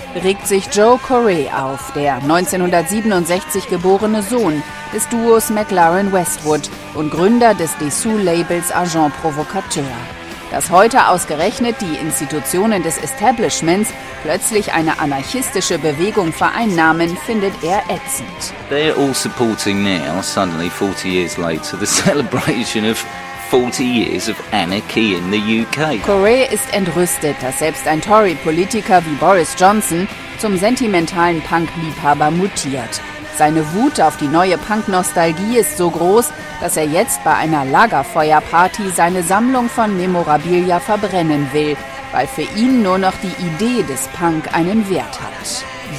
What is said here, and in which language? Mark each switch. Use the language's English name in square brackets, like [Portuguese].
[German] Regt sich Joe Corey auf, der 1967 geborene Sohn des Duos McLaren Westwood und Gründer des Dessous-Labels Agent Provocateur. Dass heute ausgerechnet die Institutionen des Establishments plötzlich eine anarchistische Bewegung vereinnahmen, findet er ätzend. [English] They're all supporting now, suddenly 40 years later, the celebration of 40 years of anarchy in the UK. [German] Corey ist entrüstet, dass selbst ein Tory-Politiker wie Boris Johnson zum sentimentalen Punk-Liebhaber mutiert. Seine Wut auf die neue Punk-Nostalgie ist so groß, dass er jetzt bei einer Lagerfeuerparty seine Sammlung von Memorabilia verbrennen will, weil für ihn nur noch die Idee des Punk einen Wert hat.